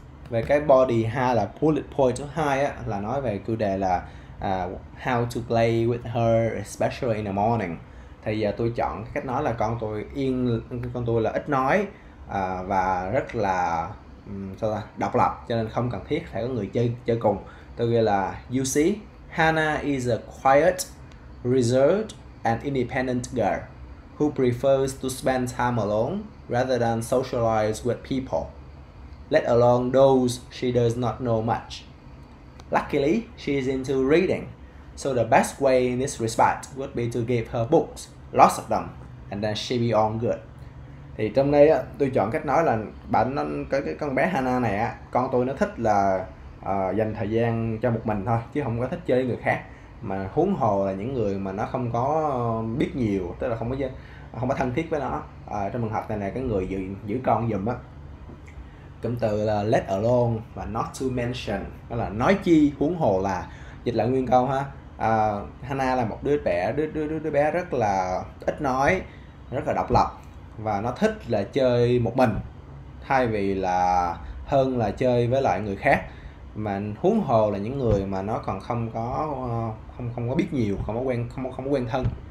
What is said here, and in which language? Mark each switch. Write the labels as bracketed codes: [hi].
[vi] Về cái body hai là bullet point thứ hai á, là nói về chủ đề là [en] how to play with her especially in the morning. [vi] Thì giờ tôi chọn cái cách nói là con tôi là ít nói và rất là sao ta, độc lập, cho nên không cần thiết phải có người chơi chơi cùng. Tôi ghi là [en] You see, Hannah is a quiet, reserved and independent girl who prefers to spend time alone rather than socialize with people, let alone those she does not know much. Luckily, she is into reading, so the best way in this respect would be to give her books, lots of them, and then she'll be all good. [vi] Thì trong đây á, tôi chọn cách nói là bạn nó cái con bé Hana này á, con tôi nó thích là dành thời gian cho một mình thôi, chứ không có thích chơi với người khác, mà huống hồ là những người mà nó không có biết nhiều, tức là không có thân thiết với nó. Trong trường hợp này là cái người giữ giữ con giùm á, cụm từ là let alone và not to mention, đó là nói chi huống hồ là, dịch lại nguyên câu ha, Hana là một đứa trẻ đứa, đứa đứa đứa bé rất là ít nói, rất là độc lập, và nó thích là chơi một mình thay vì là hơn là chơi với lại người khác, mà huống hồ là những người mà nó còn không có biết nhiều, không có quen thân.